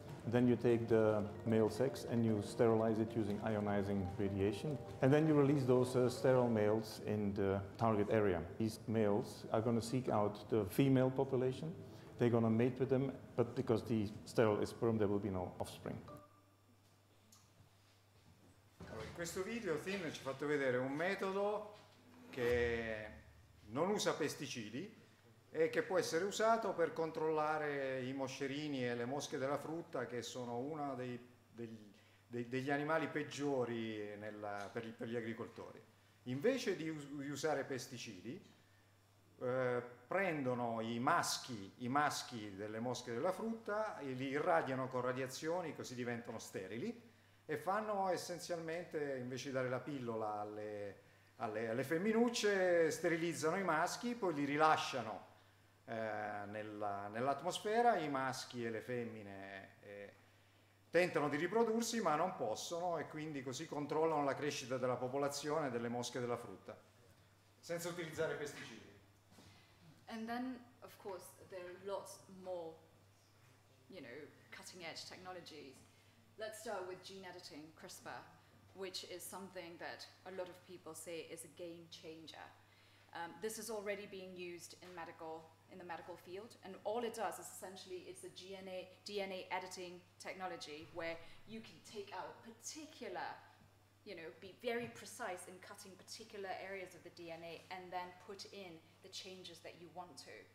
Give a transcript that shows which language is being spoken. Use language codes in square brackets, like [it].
[en] Then you take the male sex and you sterilize it using ionizing radiation. And then you release those sterile males in the target area. These males are going to seek out the female population. They're going to mate with them, but because the sterile is sperm, there will be no offspring. [it] Questo video, Tim, ci ha fatto vedere un metodo che non usa pesticidi e che può essere usato per controllare i moscerini e le mosche della frutta, che sono uno degli animali peggiori per gli agricoltori. Invece di usare pesticidi, prendono i maschi delle mosche della frutta e li irradiano con radiazioni, così diventano sterili. E fanno essenzialmente, invece di dare la pillola alle femminucce, sterilizzano i maschi, poi li rilasciano nell'atmosfera, i maschi e le femmine tentano di riprodursi ma non possono, e quindi così controllano la crescita della popolazione delle mosche della frutta senza utilizzare pesticidi. [en] And then of course there are lots more, you know, cutting edge technologies. Let's start with gene editing, CRISPR, which is something that a lot of people say is a game changer. This is already being used in the medical field, and all it does is essentially it's a DNA editing technology where you can take out particular, you know, be very precise in cutting particular areas of the DNA and then put in the changes that you want to.